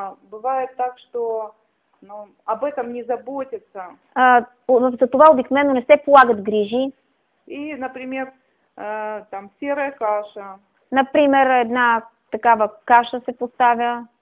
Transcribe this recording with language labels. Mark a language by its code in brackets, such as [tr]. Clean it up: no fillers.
[ru] Бывает так, что об этом не заботятся. [bg] За това обикновено не се полагат грижи. [ru] И, например, там серая каша. [bg] Например, една такава каша се поставя.